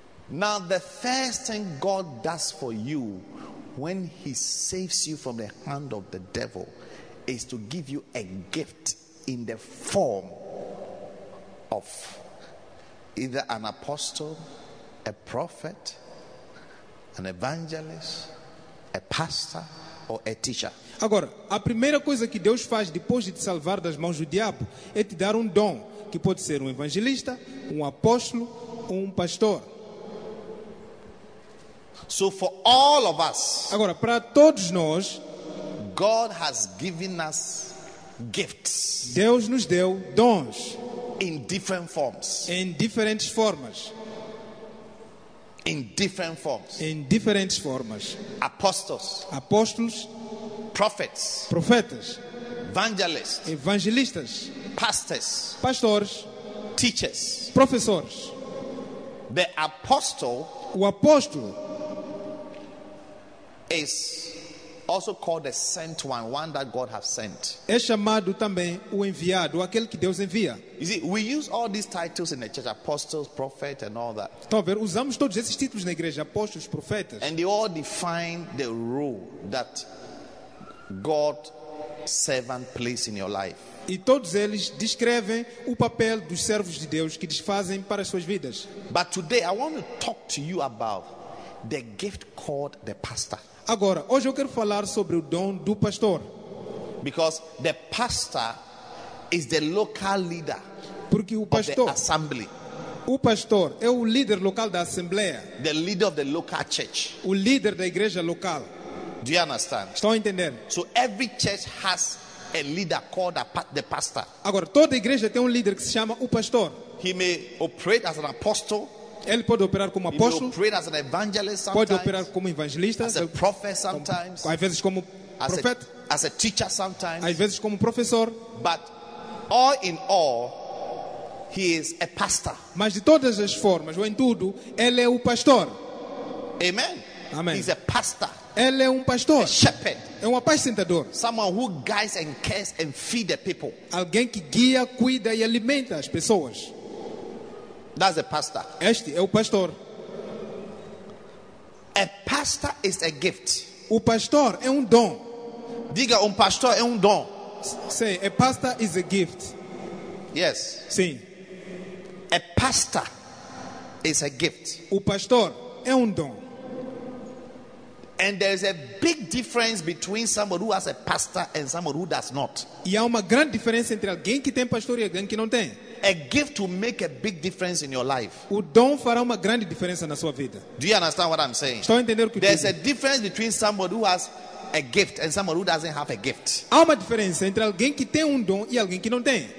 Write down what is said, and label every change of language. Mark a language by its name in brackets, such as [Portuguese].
[English] Now the first thing God does for you when he saves you from the hand of the devil is to give you a gift in the form of either an apostle, a prophet, an evangelist, a pastor, or a teacher. [Portuguese] Agora, a primeira coisa que Deus faz depois de te salvar das mãos do diabo é te dar dom, que pode ser evangelista, apóstolo, ou pastor. [English] So for all of us, [Portuguese] agora para todos nós, [English] God has given us gifts. [Portuguese] Deus nos deu dons. [English] in different forms. [Portuguese] Em diferentes formas. [English] In different forms. [Portuguese] Em diferentes formas. [English] Apostles. [Portuguese] Apóstolos. [English] Prophets. [Portuguese] Profetas. [English] Evangelists. [Portuguese] Evangelistas. [English] Pastors. [Portuguese] Pastores. [English] Teachers. [Portuguese] Professores. [English] The apostle. [Portuguese] O apóstolo. [English] Is also called the sent one, one that God has sent. [Portuguese] É chamado também o enviado, aquele que Deus envia. [English] You see, we use all these titles in the church, apostles, prophet, and all that. [Portuguese] Então, ver, usamos todos esses títulos na igreja, apóstolos, profetas. [English] And they all define the role that God servant plays in your life. [Portuguese] E todos eles descrevem o papel dos servos de Deus que desfazem para as suas vidas. [English] But today I want to talk to you about the gift called the pastor. [Portuguese] Agora, hoje eu quero falar sobre o dom do pastor. [English] Because the pastor is the local leader. [Portuguese] Porque o pastor, [English] of the assembly. [Portuguese] O pastor é o líder local da assembleia. [English] The leader of the local church. [Portuguese] O líder da igreja local. [English] Do you understand? [Portuguese] Estão a entender? [English] So every church has a leader called the pastor. [Portuguese] Agora, toda igreja tem líder que se chama o pastor. [English] He may operate as an apostle. [Portuguese] Ele pode operar como apóstolo. [English] He may operate as an evangelist sometimes. [Portuguese] Pode operar como evangelista. [English] As a prophet sometimes. [Portuguese] Às vezes como profeta. [English] As a teacher sometimes. [Portuguese] Às vezes como professor. [English] But all in all, he is a pastor. [Portuguese] Mas de todas as formas, ou em tudo, ele é o pastor. [English] Amen. [Portuguese] Amen. [English] He's a pastor. [Portuguese] Ele é pastor. [English] A shepherd. [Portuguese] É apacentador. [English] Someone who guides and cares and feeds the people. [Portuguese] Alguém que guia, cuida e alimenta as pessoas. [English] That's a pastor. [Portuguese] Este é pastor. [English] A pastor is a gift. [Portuguese] O pastor é dom. Diga, pastor é dom. [English] Say, a pastor is a gift. Yes. [Portuguese] Sim. [English] A pastor is a gift. [Portuguese] O pastor é dom. [English] And there is a big difference between somebody who has a pastor and somebody who does not. [Portuguese] E há grande diferença entre alguém que tem pastor e alguém que não tem. [English] A gift will make a big difference in your life. [Portuguese] O dom fará grande diferença na sua vida. [English] Do you understand what I'm saying? [Portuguese] Estou a entender o que [English] there's a difference between somebody who has a gift and somebody who doesn't have a gift. [Portuguese] Há diferença entre alguém que tem dom e alguém que não tem.